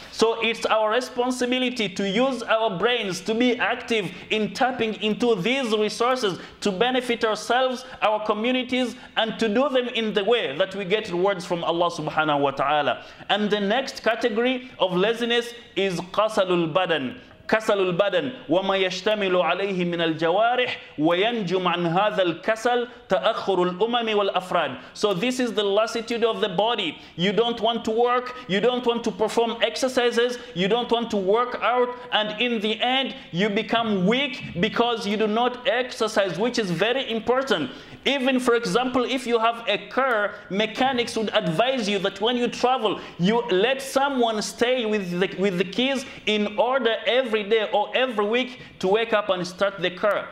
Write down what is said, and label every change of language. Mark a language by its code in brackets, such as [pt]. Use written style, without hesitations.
[en] So it's our responsibility to use our brains to be active in tapping into these resources to benefit ourselves, our communities, and to do them in the way that we get rewards from Allah subhanahu wa ta'ala. And the next category of laziness is qasalul badan. [ar] كسل البدن وما يشتمل عليه من الجوارح وينجم عن هذا الكسل تأخر الأمم والأفراد. [en] So this is the lassitude of the body. You don't want to work, you don't want to perform exercises, you don't want to work out, and in the end you become weak because you do not exercise, which is very important. Even, for example, if you have a car, mechanics would advise you that when you travel, you let someone stay with the keys in order every day or every week to wake up and start the car.